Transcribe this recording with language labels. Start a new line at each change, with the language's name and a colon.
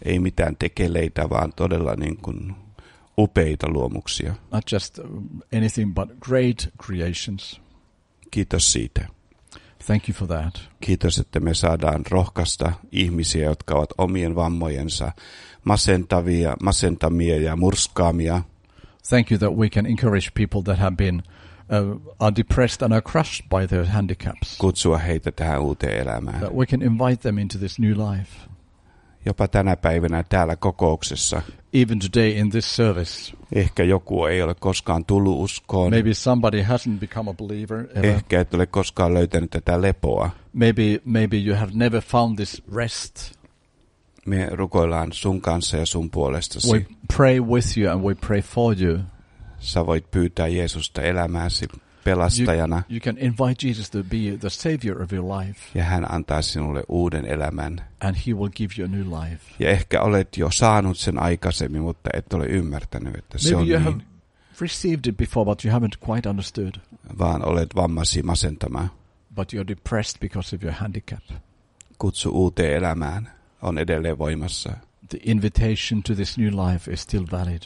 Finnish: Ei mitään tekeleitä, vaan todella niin kuin upeita luomuksia.
English: Not just anything but great creations.
Finnish: Kiitos siitä.
English: Thank you for that.
Finnish: Kiitos, että me saadaan rohkaista ihmisiä, jotka ovat omien vammojensa masentamia ja murskaamia.
English: Thank you that we can encourage people that have been are depressed and are crushed by their handicaps.
Finnish: Kutsua heitä tähän uuteen elämään.
English: That we can invite them into this new life.
Finnish: Jopa tänä päivänä täällä kokouksessa.
English: Even today in this service.
Finnish: Ehkä joku ei ole koskaan tullut uskoon.
English: Maybe somebody hasn't become a believer ever.
Finnish: Ehkä et ole koskaan löytänyt tätä lepoa.
English: Maybe you have never found this rest.
Finnish: Me rukoillaan sun kanssa ja sun puolestasi.
English: We pray with you and we pray for you.
Finnish: Sä voit pyytää Jeesusta elämääsi pelastajana.
English: You can invite Jesus to be the savior of your life.
Finnish: Ja hän antaa sinulle uuden elämän.
English: And he will give you a new life.
Finnish: Ja ehkä olet jo saanut sen aikaisemmin, mutta et ole ymmärtänyt, että
English: maybe
Finnish: se on
English: you
Finnish: niin.
English: Have received it before, but you haven't quite understood.
Finnish: Vaan olet vammasi masentama.
English: But you're depressed because of your handicap.
Finnish: kutsu uuteen elämään on edelleen voimassa.
English: The invitation to this new life is still valid.